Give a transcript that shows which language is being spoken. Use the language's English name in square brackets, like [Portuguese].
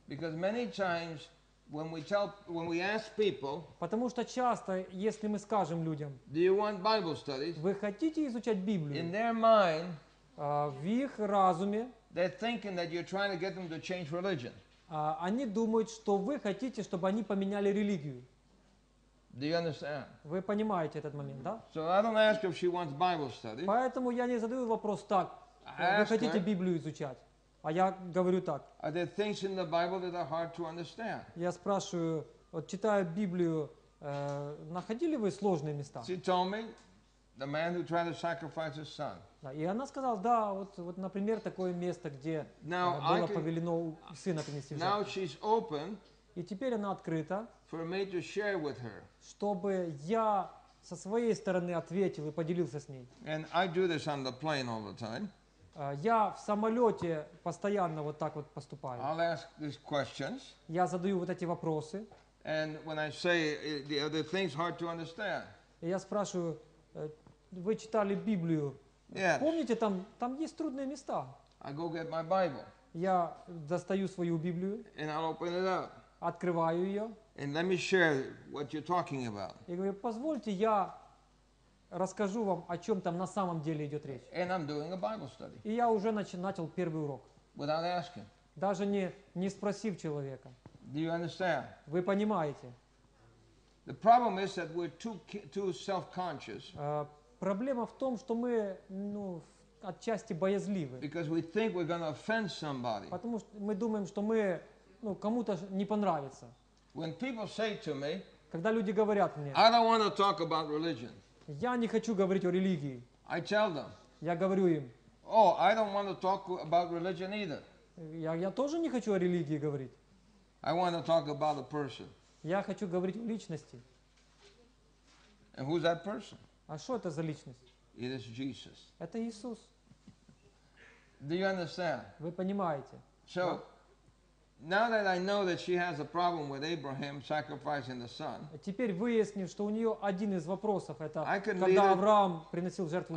[English] Because many times when we ask people, [Russian] потому что часто, если мы скажем людям, [English] do you want Bible studies? [Russian] Вы хотите изучать Библию? [English] In their mind, [Russian] в их разуме, [English] they're thinking that you're trying to get them to change religion. [Russian] Они думают, что вы хотите, чтобы они поменяли религию. [English] Do you understand? [Russian] Вы понимаете этот момент, да? [English] So I don't ask if she wants Bible study. [Russian] Поэтому я не задаю вопрос так. Вы хотите Библию изучать? А я говорю так. [English] Are there things in the Bible that are hard to understand? [Russian] Я спрашиваю, вот читая Библию, находили вы сложные места? [English] She told me, the man who tried to sacrifice his son. [Russian] И она сказала, да, вот например, такое место, где было повелено сына принести в жертву. [English] Now she's open. [Russian] И теперь она открыта, [English] for me to share with her. [Russian] Чтобы я со своей стороны ответил и поделился с ней. [English] And I do this on the plane all the time. [Russian] Я в самолете постоянно вот так вот поступаю. [English] I'll ask these questions. [Russian] Я задаю вот эти вопросы. [English] And when I say the things hard to understand. [Russian] И я спрашиваю, вы читали Библию? [English] Yes. [Russian] Помните, там есть трудные места? [English] I go get my Bible. [Russian] Я достаю свою Библию. [English] And I'll open it up. [Russian] Открываю ее. [English] And let me share what you're talking about. [Russian] И говорю, позвольте, я расскажу вам, о чем там на самом деле идет речь. [English] And I'm doing a Bible study. [Russian] И я уже начал первый урок. [English] Without asking. [Russian] Даже не спросив человека. [English] Do you understand? [Russian] Вы понимаете? [English] The problem is that we're too self-conscious. [Russian] Проблема в том, что мы, ну, отчасти боязливы. [English] Because we think we're going to offend somebody. [Russian] Потому что мы думаем, что мы, ну, кому-то не понравится. [English] When people say to me, [Russian] когда люди говорят мне, [English] I don't want to talk about religion. [Russian] Я не хочу говорить о религии. [English] I tell them, [Russian] я говорю им, [English] oh, I don't want to talk about religion either. [Russian] Я тоже не хочу о религии говорить. [English] I want to talk about a person. [Russian] Я хочу говорить о личности. [English] And who's that person? [Russian] А что это за личность? [English] It is Jesus. [Russian] Это Иисус. [English] Do you understand? [Russian] Вы понимаете? [English] So, now that I know that she has a problem with Abraham sacrificing the son, [Russian] теперь выясню, что у нее один из вопросов это, когда Авраам приносил жертву